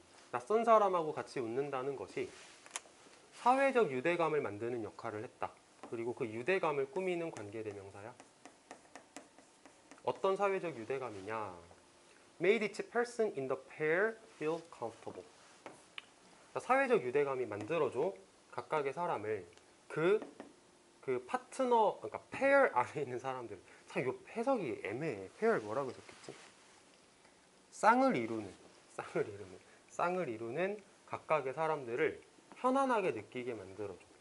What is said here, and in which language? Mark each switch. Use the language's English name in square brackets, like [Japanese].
[Korean] 낯선 사람하고 같이 웃는다는 것이 사회적 유대감을 만드는 역할을 했다. 그리고 그 유대감을 꾸미는 관계대명사야. 어떤 사회적 유대감이냐? [English] Made each person in the pair feel comfortable. [Korean] 사회적 유대감이 만들어줘 각각의 사람을 그 파트너, 그러니까 pair 안에 있는 사람들. 참 이 해석이 애매해. pair 뭐라고 적겠지? 쌍을 이루는 각각의 사람들을 편안하게 느끼게 만들어줘.